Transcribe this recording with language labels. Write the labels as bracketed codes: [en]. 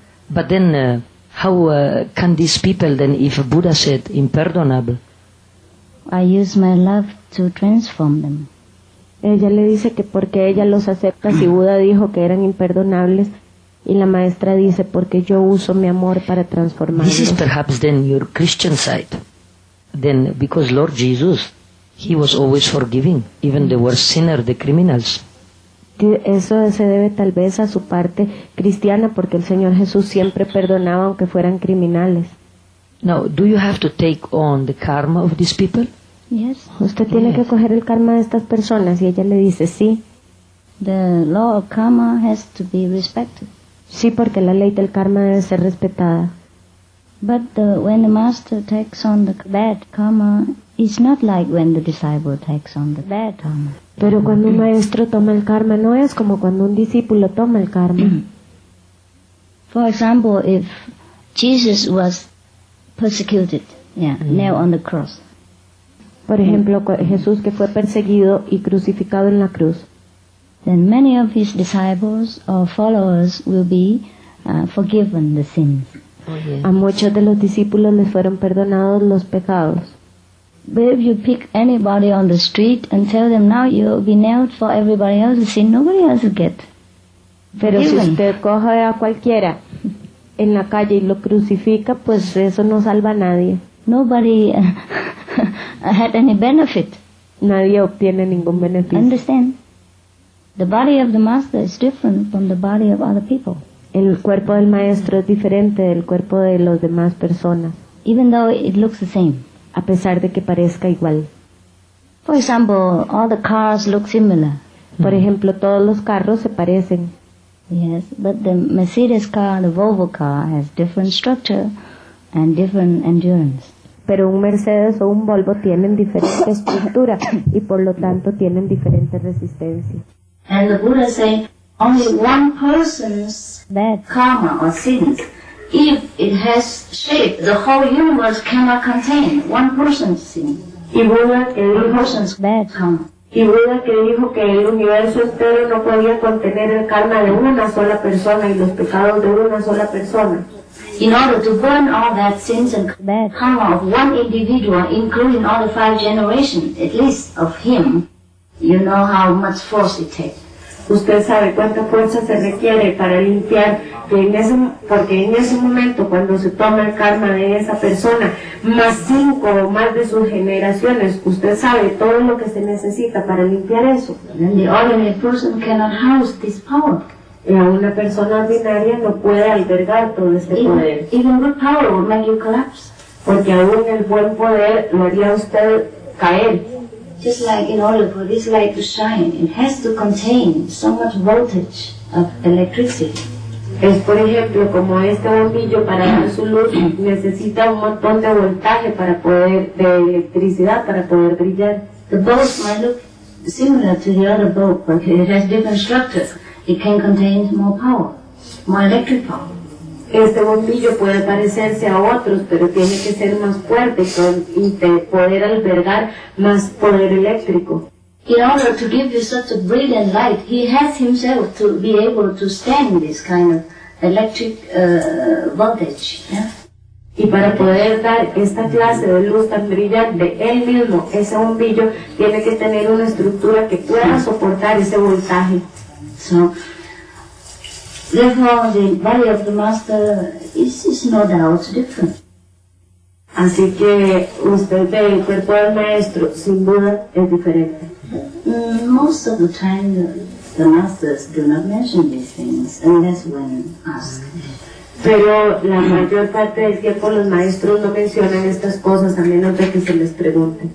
[en] But then, how can these people then, if Buddha said impardonable? I use my love to transform them. [es] Ella le dice que porque ella los acepta si Buda dijo que eran imperdonables, y la maestra dice porque yo uso mi amor para transformarlos. [en] This is perhaps then your Christian side. Then, because Lord Jesus, he was always forgiving, even the worst sinner, the criminals. [es] Eso se debe tal vez a su parte cristiana, porque el Señor Jesús siempre perdonaba aunque fueran criminales. [en] Now, do you have to take on the karma of these people? Yes. [es] Usted tiene que coger el karma de estas personas, y ella le dice sí. [en] The law of karma has to be respected. [es] Sí, porque la ley del karma debe ser respetada. [en] But when the master takes on the bad karma, it's not like when the disciple takes on the bad karma. [es] Pero cuando un maestro toma el karma, no es como cuando un discípulo toma el karma. [en] For example, if Jesus was persecuted, nailed on the cross. [es] Por ejemplo, Jesús que fue perseguido y crucificado en la cruz. [en] Then many of his disciples or followers will be forgiven the sins. [es] A muchos de los discípulos les fueron perdonados los pecados. [en] But if you pick anybody on the street and tell them now you'll be nailed for everybody else's sin, nobody else will get. [es] Pero si usted coge a cualquiera en la calle y lo crucifica, pues eso no salva a nadie. [en] Nobody had any benefit. [es] Nadie obtiene ningún beneficio. [en] Understand? The body of the master is different from the body of other people. [es] El cuerpo del maestro es diferente del cuerpo de las demás personas. [en] Even though it looks the same. [es] A pesar de que parezca igual. [en] For example, all the cars look similar. [es] Por ejemplo, todos los carros se parecen. [en] Yes, but the Mercedes car, the Volvo car, has different structure and different endurance. [es] Pero un Mercedes o un Volvo tienen diferente estructura y por lo tanto tienen diferente resistencia. [en] And the Buddha say, only one person's karma or sins, if it has shape, the whole universe cannot contain one person's sin. [es] Y Buda que dijo, [en] one person's bad karma. [es] Y Buda que dijo que el universo entero no podía contener el karma de una sola persona y los pecados de una sola persona. [en] In order to burn all that sins and bad karma of one individual, including all the five generations, at least of him, you know how much force it takes. [es] Usted sabe cuánta fuerza se requiere para limpiar, porque en ese momento cuando se toma el karma de esa persona, más cinco o más de sus generaciones, usted sabe todo lo que se necesita para limpiar eso. [en] The ordinary person cannot house this power. [es] Y una persona ordinaria no puede albergar todo ese poder. [en] Even good power will make you collapse. [es] Porque aún el buen poder lo haría usted caer. [en] Just like in order for this light to shine, it has to contain so much voltage of electricity. [es] Es por ejemplo como este bombillo para dar su luz necesita un montón de voltaje para poder de electricidad para poder brillar. [en] The boat might look similar to the other boat, but it has different structures. It can contain more power, more electric power. [es] este bombillo puede parecerse a otros, pero tiene que ser más fuerte y poder albergar más poder eléctrico. [en] In order to give you such a brilliant light, he has himself to be able to stand this kind of electric voltage. [es] Y para poder dar esta clase de luz tan brillante, él mismo, ese bombillo, tiene que tener una estructura que pueda soportar ese voltaje. [en] So, therefore, the body of the master is no doubt different. [es] Así que usted ve el cuerpo del maestro, sin duda, es diferente. [en] Most of the time, the masters do not mention these things, unless when asked. [es] Pero la mayor parte del tiempo los maestros no mencionan estas cosas a menos de que se les pregunte.